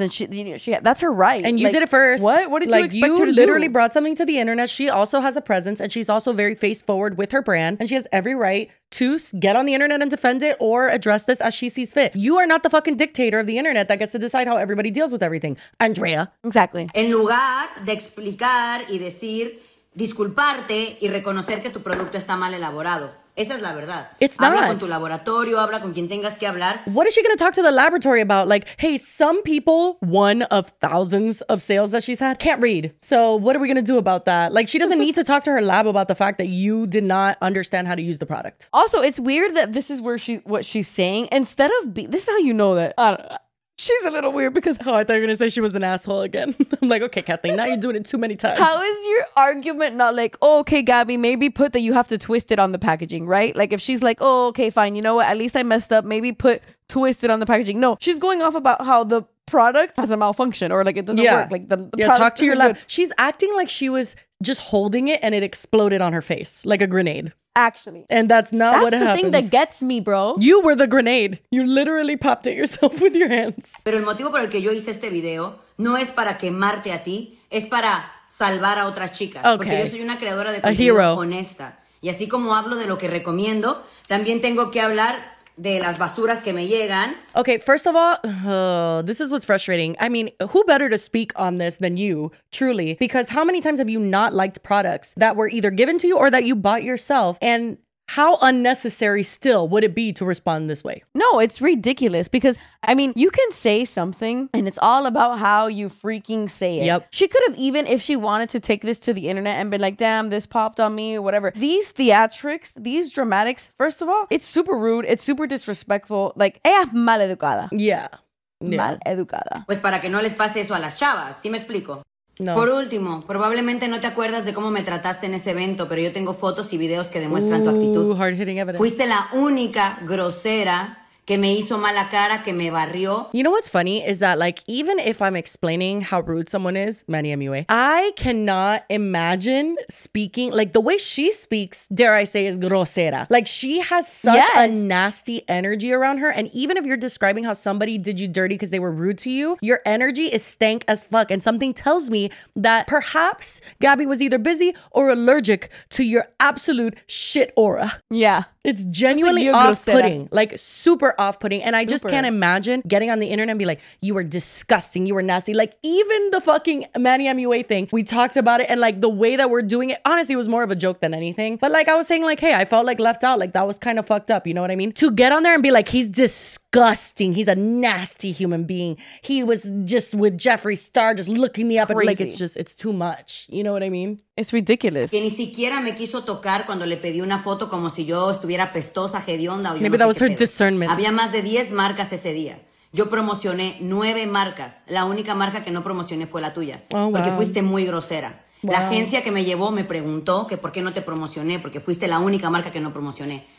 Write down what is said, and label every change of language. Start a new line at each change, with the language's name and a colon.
English: And that's her right. And you did it first. What did like, you expect her to do? You literally brought something to the internet. She also has a presence and she's also very face forward with her brand. And she has every right to get on the internet and defend it or address this as she sees fit. You are not the fucking dictator of the internet that gets to decide how everybody deals with everything. Andrea. Exactly.
Spanish: En lugar de explicar y decir, disculparte y reconocer que tu producto está mal elaborado. Esa es la verdad.
English: It's not.
Spanish: Habla con tu laboratorio, habla con quien tengas que hablar.
English: What is she going to talk to the laboratory about? Like, hey, some people, one of thousands of sales that she's had, can't read. So what are we going to do about that? Like, she doesn't need to talk to her lab about the fact that you did not understand how to use the product. Also, it's weird that this is what she's saying. Instead of being, this is how you know that. She's a little weird because, oh, I thought you were going to say she was an asshole again. I'm like, okay, Kathleen, now you're doing it too many times. How is your argument not like, oh, okay, Gabby, maybe put that you have to twist it on the packaging, right? Like if she's like, oh, okay, fine. You know what? At least I messed up. Maybe put twist it on the packaging. No, she's going off about how the product has a malfunction or like it doesn't work. Like the product talk to your lab. She's acting like she was just holding it and it exploded on her face like a grenade. Actually, and that's not that's what happens. That's the thing that gets me, bro. You were the grenade. You literally popped it yourself with your hands.
Spanish: Pero el motivo por el que yo hice este video no es para quemarte a ti, es para salvar a otras chicas.
English: Okay.
Spanish: Porque yo soy una creadora de contenido honesta. Y así como hablo de lo que recomiendo, también tengo que hablar de las basuras que me llegan.
English: Okay, first of all, this is what's frustrating. I mean, who better to speak on this than you, truly? Because how many times have you not liked products that were either given to you or that you bought yourself? And how unnecessary still would it be to respond this way? No, it's ridiculous because, I mean, you can say something and it's all about how you freaking say it. Yep. She could have even, if she wanted to take this to the internet and been like, damn, this popped on me or whatever. These theatrics, these dramatics, first of all, it's super rude. It's super disrespectful.
Spanish: Like, ella es mal educada.
English: Yeah.
Spanish: Mal educada. Pues para que no les pase eso a las chavas. ¿Sí me explico?
English: No.
Spanish: Por último, probablemente no te acuerdas de cómo me trataste en ese evento, pero yo tengo fotos y videos que demuestran tu actitud.
English: Hard-hitting evidence.
Spanish: Fuiste la única grosera que me hizo mala cara, que me barrió.
English: You know what's funny is that, like, even if I'm explaining how rude someone is, Manny MUA, I cannot imagine speaking, like, the way she speaks, dare I say, is grosera. Like, she has such a nasty energy around her. And even if you're describing how somebody did you dirty because they were rude to you, your energy is stank as fuck. And something tells me that perhaps Gabby was either busy or allergic to your absolute shit aura. Yeah. It's genuinely off-putting, like super off-putting. And I just can't imagine getting on the internet and be like, you were disgusting. You were nasty. Like, even the fucking Manny MUA thing, we talked about it. And, like, the way that we're doing it, honestly, it was more of a joke than anything. But, like, I was saying, like, hey, I felt, like, left out. Like, that was kind of fucked up. You know what I mean? To get on there and be like, he's disgusting. He's a nasty human being. He was just with Jeffree Star just looking me up. Crazy. And, like, it's just, it's too much. You know what I mean? It's ridiculous.
Spanish: Que ni siquiera me quiso tocar cuando le pedí una foto como si yo estuviera pestosa, hedionda, o yo
English: maybe
Spanish: no sé
English: that was her
Spanish: pedo.
English: Discernment.
Spanish: Había más de 10 marcas ese día. Yo promocioné 9 marcas. La única marca que no promocioné fue la tuya.
English: Oh, wow.
Spanish: Porque fuiste muy grosera. Wow. La agencia que me llevó me preguntó que por qué no te promocioné, porque fuiste la única marca que no promocioné.